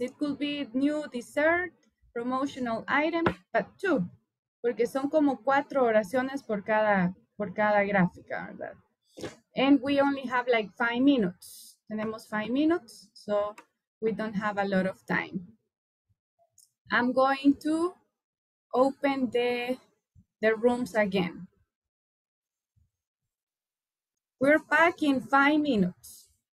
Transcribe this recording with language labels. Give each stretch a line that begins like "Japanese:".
English: It could be new dessert, promotional item, but two.
Spanish: Porque son como cuatro oraciones por cada gráfica, ¿verdad?
English: And we only have like 5 minutes. Tenemos 5 minutes, so we don't have a lot of time. I'm going to open the rooms again. We're back in 5 minutes.